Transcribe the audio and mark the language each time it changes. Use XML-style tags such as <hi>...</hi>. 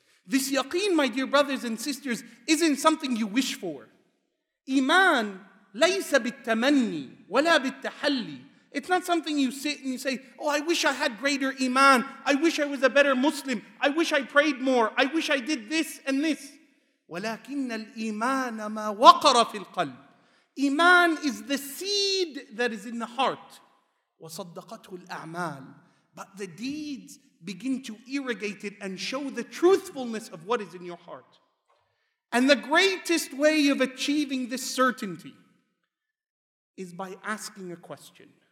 <en>This yaqeen, my dear brothers and sisters, isn't something you wish for.</en> <ar>Iman laysa bittamanni wala bittahalli.</ar> <en>It's not something you sit and you say, oh, I wish I had greater iman. I wish I was a better Muslim. I wish I prayed more. I wish I did this and this.</en> <ar>ولكن الإيمان ما وقر في القلب.</ar> <en>Iman is the seed that is in the heart.</en> <ar>وصدقته الأعمال.</ar> <en>But the deeds begin to irrigate it and show the truthfulness of what is in your heart. And the greatest way of achieving this certainty is by asking a question.</en>